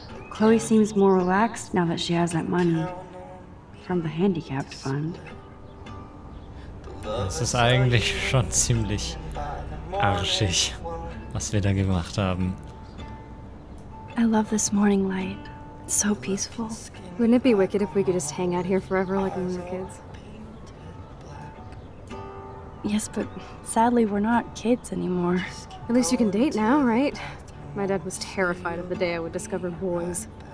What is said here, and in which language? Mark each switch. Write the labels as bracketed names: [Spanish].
[English] Chloe seems more relaxed now that she has that money from the handicapped fund. [German] Das ist eigentlich schon ziemlich arschig, was wir da gemacht haben. [English] I love this morning light. It's so peaceful. Wouldn't it be wicked if we could just hang out here forever like when we were kids? Yes, but sadly, we're not kids anymore. At least you can date now, right? My dad was terrified of the day I would discover boys.